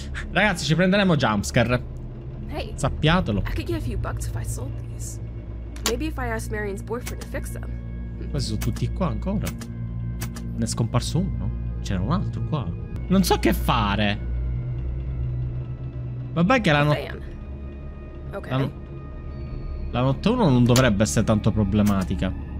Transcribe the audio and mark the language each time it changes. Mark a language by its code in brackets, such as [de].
[it] Ragazzi, ci prenderemo jumpscare. Sappiatelo. [en] Hey, I could give you bucks if I sold these. Maybe if I ask Marion's boyfriend to fix them. [it] Questi sono tutti qua ancora. Ne è scomparso uno. C'era un altro qua. Non so che fare. Vabbè che la notte... ok. La notte 1 non dovrebbe essere tanto problematica.